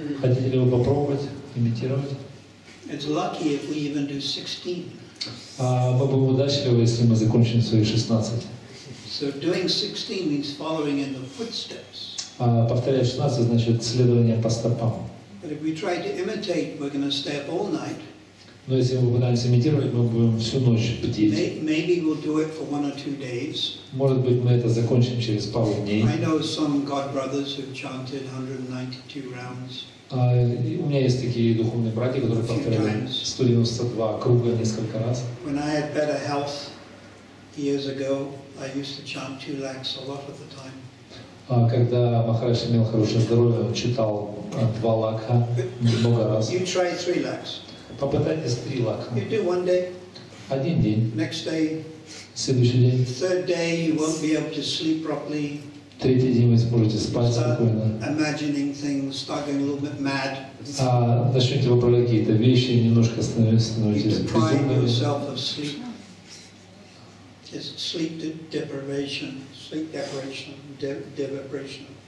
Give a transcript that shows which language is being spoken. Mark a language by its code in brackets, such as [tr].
[ru] Хотите ли вы попробовать имитировать? [en] It's lucky if we even do 16. [ru] Мы будем удачливы, если мы закончим свои 16. [en] So doing 16 means following in the footsteps. [ru] Повторять 16 значит следование по стопам. [en] But if we try to imitate, we're going to stay up all night. [ru] Но если мы пытаемся имитировать, мы будем всю ночь бдить. [en] Maybe we'll do it for one or two days. [ru] Может быть, мы это закончим через пару дней. [en] I know some God brothers who've chanted 192 rounds. [ru] У меня есть такие духовные братья, которые повторяли 192 круга несколько раз. [en] When I had better health years ago, I used to chant 2 lakhs a lot of the time. [ru] Когда Махарадж имел хорошее здоровье, читал 2 лакха много раз. [en] You try 3 lakhs. [ru] попытайтесь три лак. [en] You do one day. [ru] Один день. [en] Next day. [ru] Следующий день. [en] Third day you won't be able to sleep properly. [ru] Третий день вы сможете спать спокойно. [en] Imagining things, starting a little bit mad. [ru] А начнете выбрать какие-то вещи, немножко становитесь безумными. [en] Is sleep deprivation, sleep deprivation, deprivation.